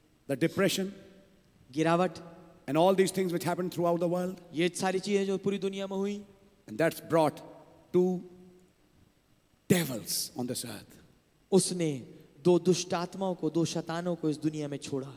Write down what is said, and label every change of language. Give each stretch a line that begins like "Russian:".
English: The depression,
Hindi: गिरावट,
English: and all these things which happened throughout the world,
Hindi: ये सारी चीजें जो पूरी दुनिया में हुई,
English: and that's brought two devils on this earth.
Hindi: उसने दो दुष्ट आत्माओं को, दो शैतानों को इस दुनिया में छोड़ा.